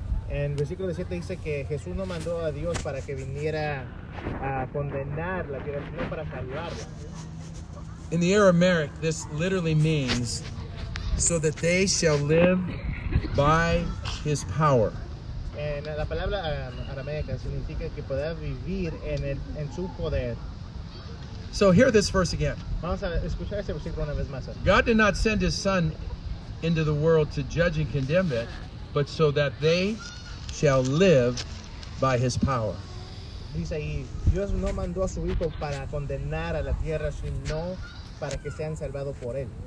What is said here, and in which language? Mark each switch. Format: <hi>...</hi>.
<es>En versículo 17 dice que Jesús no mandó a Dios para que viniera a condenarla, sino para salvarla.</es> <en>In the Aramaic, this literally means so that they shall live by His power.</en> <es>En la palabra aramaica significa que pueda vivir en su poder.</es> <en>So hear this verse again.</en> <es>Vamos a escuchar ese versículo una vez más.</es> <en>God did not send His Son into the world to judge and condemn it, but so that they shall live by His power.</en> <es>Dice ahí, Dios no mandó a su hijo para condenar a la tierra, sino para que sean salvados por él.</es>